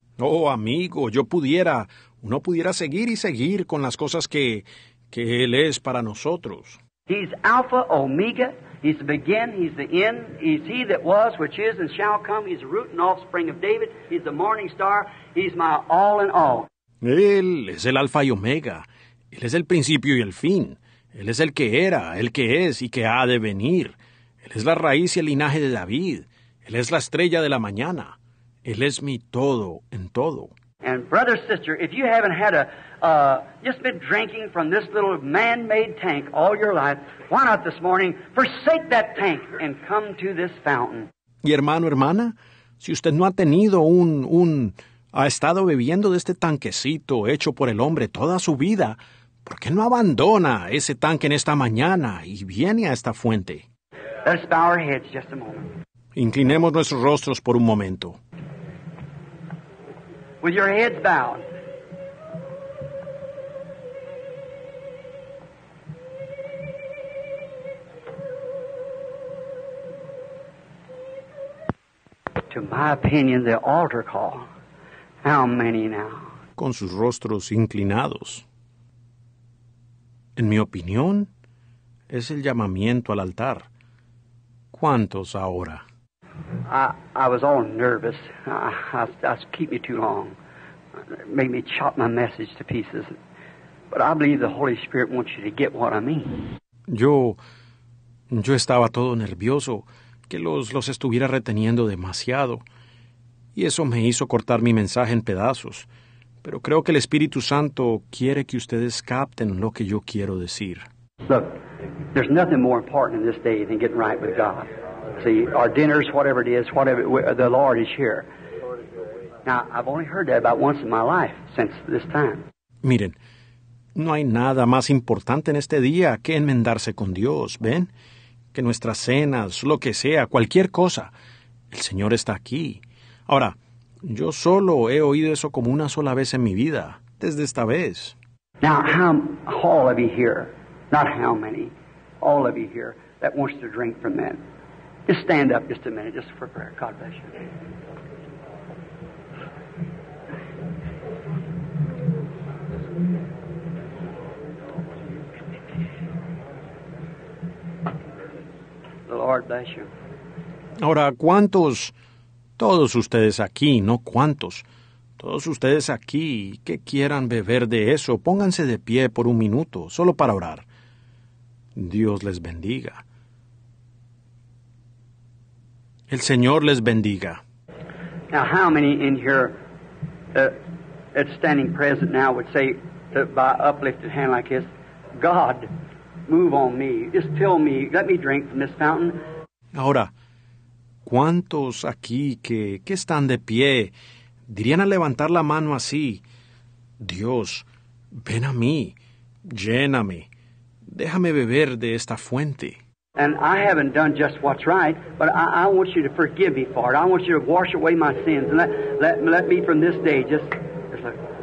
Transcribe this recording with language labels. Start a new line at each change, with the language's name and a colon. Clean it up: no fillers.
Spanish: Oh, amigo, uno pudiera seguir y seguir con las cosas que él es para nosotros.
English: He's Alpha, Omega. He's the beginning, he's the end, he's he that was, which is, and shall come. He's the root and offspring of David. He's the morning star. He's my all in all.
Spanish: Él es el Alfa y Omega. Él es el principio y el fin. Él es el que era, el que es y que ha de venir. Él es la raíz y el linaje de David. Él es la estrella de la mañana. Él es mi todo en todo.
English: And brother, sister, if you haven't had just been drinking from this little man-made tank all your life, why not this morning forsake that tank and come to this fountain?
Spanish: Y hermano, hermana, si usted no ha tenido ha estado bebiendo de este tanquecito hecho por el hombre toda su vida, ¿por qué no abandona ese tanque en esta mañana y viene a esta fuente?
English: Let's bow our heads just a moment.
Spanish: Inclinemos nuestros rostros por un momento.
English: With your heads bowed. To my opinion, the altar call. How many now?
Spanish: Con sus rostros inclinados. En mi opinión, es el llamamiento al altar. ¿Cuántos ahora?
English: I was all nervous. I keep me too long. It made me chop my message to pieces. But I believe the Holy Spirit wants you to get what I mean.
Spanish: Yo estaba todo nervioso, que los estuviera reteniendo demasiado. Y eso me hizo cortar mi mensaje en pedazos. Pero creo que el Espíritu Santo quiere que ustedes capten lo que yo quiero decir.
English: Look, there's nothing more important in this day than getting right with God. See, our dinners, whatever it is, the Lord is here. Now, I've only heard that about once in my life since this time.
Spanish: Miren, no hay nada más importante en este día que enmendarse con Dios, ¿ven? Que nuestras cenas, lo que sea, cualquier cosa, el Señor está aquí. Ahora, yo solo he oído eso como una sola vez en mi vida, desde esta vez.
English: Now, all of you here, not how many, all of you here that wants to drink from that. Just stand up just a minute, just for prayer. God bless you. The Lord bless you.
Spanish: Ahora, ¿cuántos? Todos ustedes aquí, no cuántos. Todos ustedes aquí que quieran beber de eso, pónganse de pie por un minuto, solo para orar. Dios les bendiga. El Señor les bendiga.
English: Now, how many in here that's standing present now would say by uplifted hand like this, God, move on me. Just tell me, let me drink from this fountain.
Spanish: Ahora, ¿cuántos aquí que están de pie dirían al levantar la mano así, Dios, ven a mí, lléname, déjame beber de esta fuente?
English: And I haven't done just what's right, but I want you to forgive me for it. I want you to wash away my sins and let me from this day just look.